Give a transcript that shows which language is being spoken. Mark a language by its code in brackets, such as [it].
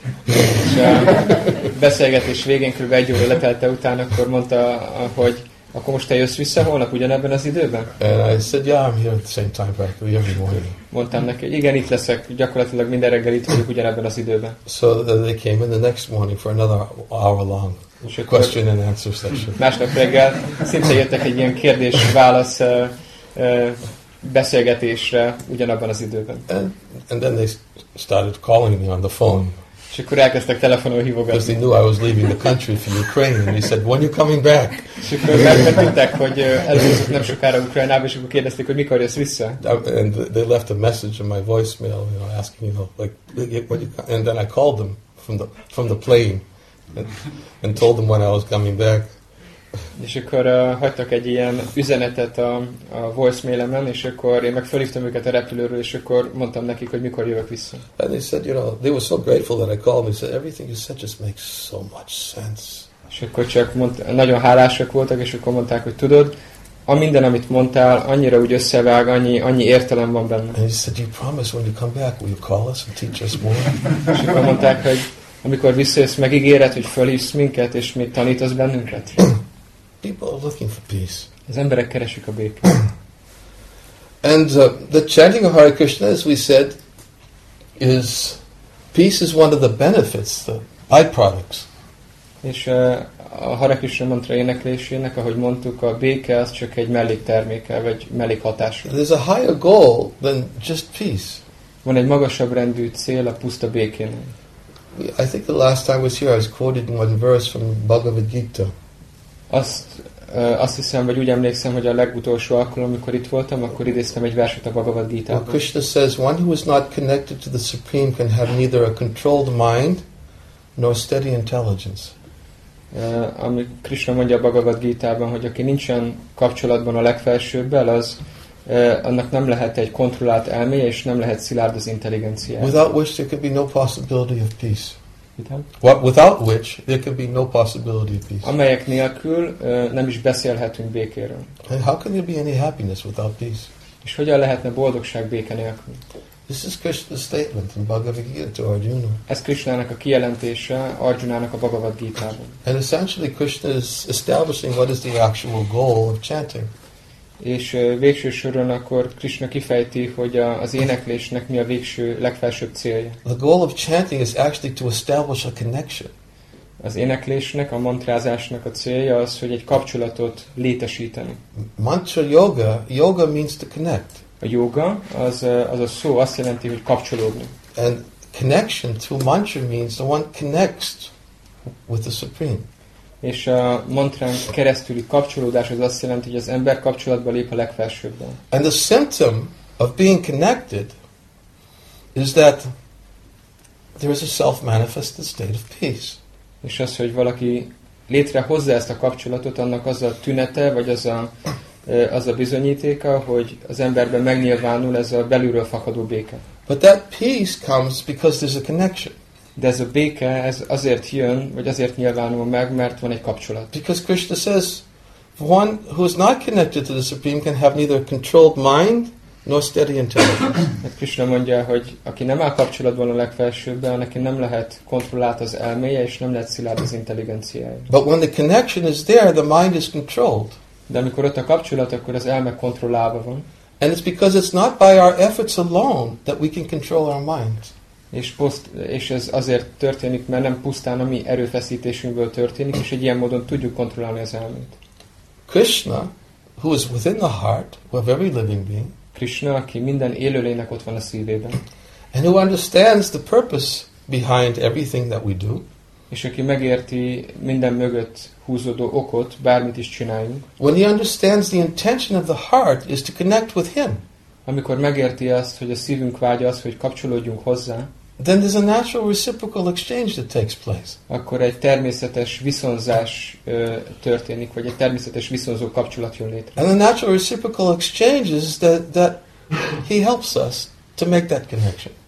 [hu] És a beszélgetés végén kb. Egy óra letelte után akkor mondta, hogy akkor most te jössz vissza holnap ugyanebben az időben? [en] And I said, yeah, I'm here at the same time practically every morning. [hu] Mondtam neki, igen, itt leszek, gyakorlatilag minden reggel itt vagyok ugyanebben az időben. [en] So they came in the next morning for another hour long question and answer session. [hu] Másnap reggel szinte jöttek egy ilyen kérdés-válasz beszélgetésre ugyanabban az időben. [en] And then they started calling me on the phone. [hu] És akkor elkezdtek telefonon hívogatni. [en] Because they knew I was leaving the country for Ukraine. And he said, when are you coming back? [hu] És akkor megtudták, hogy elhúzott nem sokára Ukrajnába, és akkor kérdezték, hogy mikor jössz vissza. [en] And they left a message in my voicemail, you know, asking, you know, like, and then I called them from the plane and told them when I was coming back. [hu] És akkor hagytak egy ilyen üzenetet a voicemailemen, és akkor én meg felhívtam őket a repülőről, és akkor mondtam nekik, hogy mikor jövök vissza. [en] And they said, you know, they were so grateful that I called. They said, everything you said just makes so much sense. [hu] És akkor csak nagyon hálásak voltak, és akkor mondták, hogy tudod, a minden, amit mondtál, annyira úgy összevág, annyi értelem van benne. [en] And they said, you promise when you come back, will you call us and teach us more? [hu] És akkor mondták, hogy amikor visszajössz, megígéred, hogy felhívsz minket, és mit tanítasz bennünket? [en] People are looking for peace. [hu] Az emberek keresik a békét. [en] And the chanting of Hare Krishna, as we said, is peace is one of the benefits, the byproducts. [hu] És a Hare Krishna mantra éneklésének, ahogy mondtuk, a béke az csak egy mellékterméke, vagy mellékhatása. [en] There's a higher goal than just peace. [hu] Van egy magasabb rendű cél a puszta békénél. [en] I think the last time I was here, I was quoted in one verse from Bhagavad Gita. [hu] Azt hiszem, vagy úgy emlékszem, hogy a legutolsó alkalom, amikor itt voltam, akkor idéztem egy verset a Bhagavad Gita. [en] Well, Krishna says, one who is not connected to the Supreme can have neither a controlled mind nor steady intelligence. [hu] Ami Krishna mondja a Bhagavad Gita-ban, hogy aki nincsen kapcsolatban a legfelsőbbel, az annak nem lehet egy kontrollált elméje, és nem lehet szilárd az intelligencia. [en] Without which there could be no possibility of peace. Without which there could be no possibility of peace. [hu] Amelyek nélkül nem is beszélhetünk békéről. [en] And how can there be any happiness without peace? [hu] És hogyan lehetne boldogság béke nélkül? [en] This is Krishna's statement in Bhagavad Gita to Arjuna. [hu] Ez Krishnának a kijelentése Arjunának a Bhagavad Gita-ban. [en] And essentially Krishna is establishing what is the actual goal of chanting. [hu] És végső soron akkor Krishna kifejti, hogy az éneklésnek mi a végső, legfelsőbb célja. [en] The goal of chanting is actually to establish a connection. [hu] Az éneklésnek, a mantrázásnak a célja az, hogy egy kapcsolatot létesíteni. [en] Mantra yoga, yoga means to connect. [hu] A yoga, az a szó, azt jelenti, hogy kapcsolódni. [en] And connection through mantra means the one connects with the Supreme. [hu] És a mantrán keresztüli kapcsolódás az azt jelenti, hogy az ember kapcsolatba lép a legfelsőbben. [en] And the symptom of being connected is that there is a self-manifested state of peace. [hu] És az, hogy valaki létrehozza ezt a kapcsolatot, annak az a tünete, vagy az a bizonyítéka, hogy az emberben megnyilvánul ez a belülről fakadó béke. [en] But that peace comes because there's a connection. [hu] De ez a béke, ez azért jön, vagy azért nyilvánul meg, mert van egy kapcsolat. [en] Because Krishna says, one who is not connected to the Supreme can have neither controlled mind nor steady intelligence. [hu] Krishna mondja, hogy aki nem áll kapcsolatban a legfelsőbben, neki nem lehet kontrollált az elméje, és nem lehet szilárd az intelligenciája. [en] But when the connection is there, the mind is controlled. [hu] De amikor ott a kapcsolat, akkor az elme kontrollálva van. [en] And it's because it's not by our efforts alone that we can control our minds. [hu] És ez azért történik, mert nem pusztán a mi erőfeszítésünkből történik, és egy ilyen módon tudjuk kontrollálni az elmét. [en] Krishna, who is within the heart of every living being, [hu] Krishna, aki minden élőlénynek ott van a szívében, [en] and who understands the purpose behind everything that we do, [hu] és aki megérti minden mögött húzódó okot, bármit is csináljunk, [en] when he understands the intention of the heart is to connect with him, [hu] amikor megérti azt, hogy a szívünk vágya az, hogy kapcsolódjunk hozzá, [en] then there's a natural reciprocal exchange that takes place. [hu] Akkor egy természetes viszonzás történik, vagy egy természetes viszonzó kapcsolat jön létre. [en] And the natural reciprocal exchange is that he helps us to make that connection.